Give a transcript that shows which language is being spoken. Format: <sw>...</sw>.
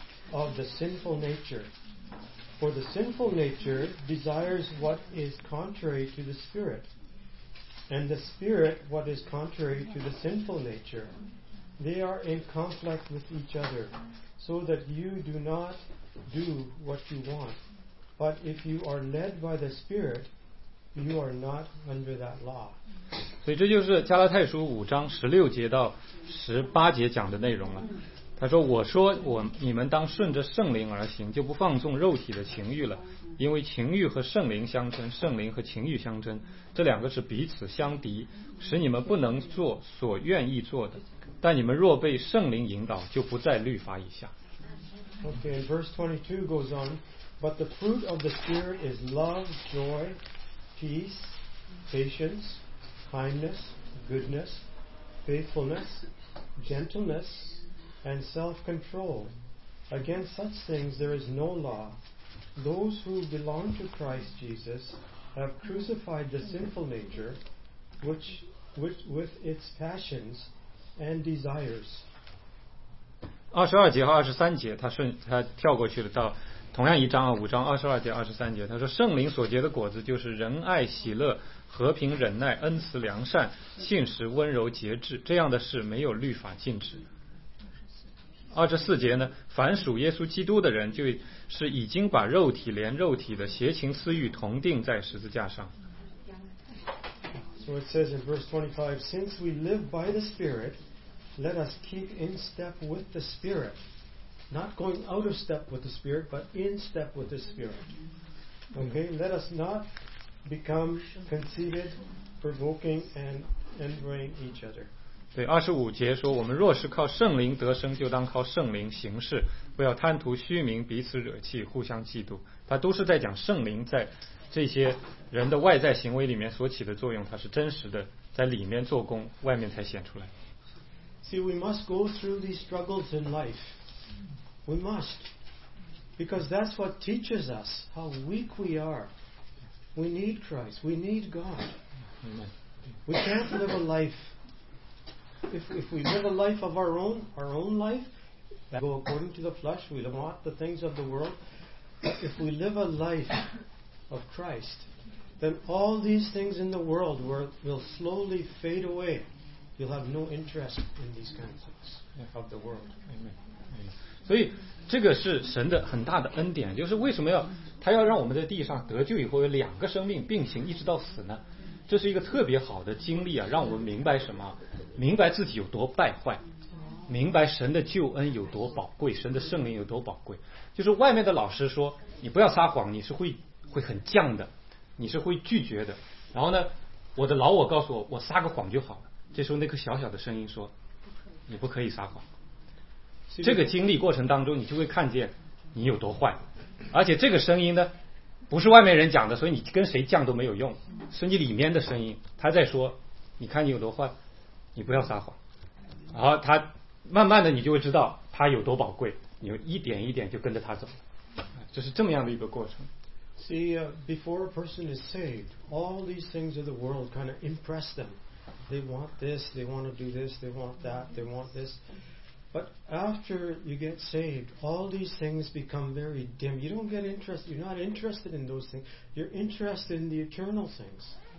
<en>Of the sinful nature. For the sinful nature desires what is contrary to the spirit, and the spirit what is contrary to the sinful nature. They are in conflict with each other, so that you do not do what you want. But if you are led by the spirit, you are not under that law.</en> <zh>所以这就是加拉太书五章十六节到十八节讲的内容了。他说你们当顺着圣灵而行，就不放纵肉体的情欲了，因为情欲和圣灵相争，圣灵和情欲相争，这两个是彼此相敌，使你们不能做所愿意做的。但你们若被圣灵引导，就不在律法以下。</zh> <en>Okay, verse 22 goes on, But the fruit of the Spirit is love, joy, peace, patience, kindness, goodness, faithfulness, gentlenessand self-control. Against such things there is no law. Those who belong to Christ Jesus have crucified the sinful nature with its passions and desires.</en> <zh>22节和23节他跳过去了，到同样一章啊，五章22节23节，他说圣灵所结的果子就是仁爱、喜乐、和平、忍耐、恩慈、良善、信实、温柔、节制，这样的事没有律法禁止。 24节呢，凡属耶稣基督的人，就是已经把肉体连肉体的邪情私欲同钉在十字架上。</zh> <en>So it says in verse 25, Since we live by the Spirit, let us keep in step with the Spirit. Not going out of step with the Spirit, but in step with the Spirit. Okay, let us not become conceited, provoking, and envying each other.</en> <zh>对，二十五节说，我们若是靠圣灵得生，就当靠圣灵行事，不要贪图虚名，彼此惹气，互相嫉妒。他都是在讲圣灵在这些人的外在行为里面所起的作用，它是真实的，在里面做工，外面才显出来。</zh> <en>See, we must go through these struggles in life. We must, because that's what teaches us how weak we are. We need Christ. We need God. We can't live a life. If we live a life of our own life, we go according to the flesh, we want the things of the world. But if we live a life of Christ, then all these things in the world will slowly fade away you'll have no interest in these kinds of the world. Amen.</en> <zh>所以这个是神的很大的恩典，就是为什么要他要让我们在地上得救以后有两个生命并行一直到死呢？这是一个特别好的经历啊，让我们明白什么，明白自己有多败坏，明白神的救恩有多宝贵，神的圣灵有多宝贵。就是外面的老师说你不要撒谎，你是会很犟的，你是会拒绝的，然后呢我的老我告诉我，我撒个谎就好了。这时候那颗小小的声音说你不可以撒谎。这个经历过程当中你就会看见你有多坏，而且这个声音呢不是外面人讲的，所以你跟谁犟都没有用，是你里面的声音，他在说你看你有多坏，你不要撒谎。然后他慢慢的你就会知道他有多宝贵，你一点一点就跟着他走，就是这么样的一个过程。</zh> <en>See, before a person is saved, all these things of the world kind of impress them. They want this, they want to do this, they want that, they want this. But after you get saved, all these things become very dim. You don't get interested, you're not interested in those things. You're interested in the eternal things.</en>